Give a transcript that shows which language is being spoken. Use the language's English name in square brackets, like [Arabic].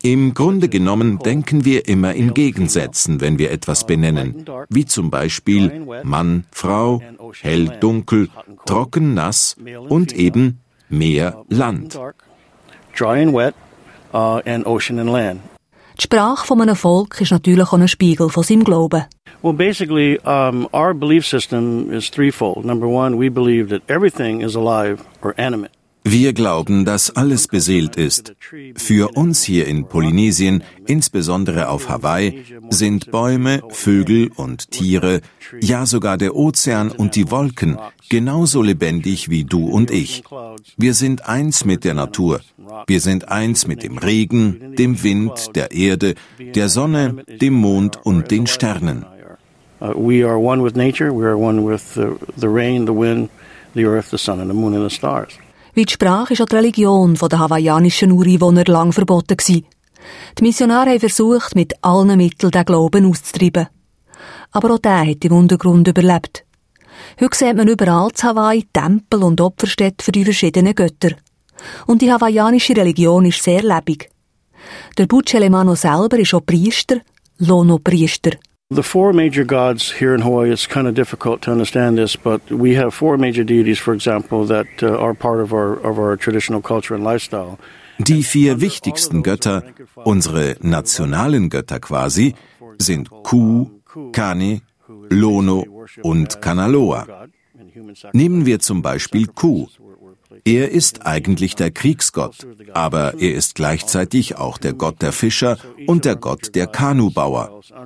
[German] Im Grunde genommen denken wir immer in Gegensätzen, wenn wir etwas benennen, wie zum Beispiel Mann, Frau, hell, dunkel, trocken, nass und eben Meer, Land. [English] Dry and wet, and ocean and land. [German] Die Sprache von einem Volk ist natürlich auch ein Spiegel von seinem Glauben. [English] Well, basically, our belief system is threefold. Number one, we believe that everything is alive or animate. [German] Wir glauben, dass alles beseelt ist. Für uns hier in Polynesien, insbesondere auf Hawaii, sind Bäume, Vögel und Tiere, ja sogar der Ozean und die Wolken, genauso lebendig wie du und ich. Wir sind eins mit der Natur. Wir sind eins mit dem Regen, dem Wind, der Erde, der Sonne, dem Mond und den Sternen. [English] We are one with nature, we are one with the rain, the wind, the earth, the sun and the moon and the stars. [German] Wie die Sprache ist auch die Religion der hawaiianischen Ureinwohner lang verboten gewesen. Die Missionare haben versucht, mit allen Mitteln den Glauben auszutreiben. Aber auch der hat im Untergrund überlebt. Heute sieht man überall in Hawaii Tempel und Opferstätten für die verschiedenen Götter. Und die hawaiianische Religion ist sehr lebendig. Der Butch Elemano selber ist auch Priester, Lono-Priester. [English] The four major gods here in Hawaii, it's kind of difficult to understand this, but we have four major deities, for example, that are part of our traditional culture and lifestyle. [German] Die vier wichtigsten Götter, unsere nationalen Götter quasi, sind Ku, Kane, Lono und Kanaloa. Nehmen wir zum Beispiel Ku. Er ist eigentlich der Kriegsgott, aber er ist gleichzeitig auch der Gott der Fischer und der Gott der Kanubauer.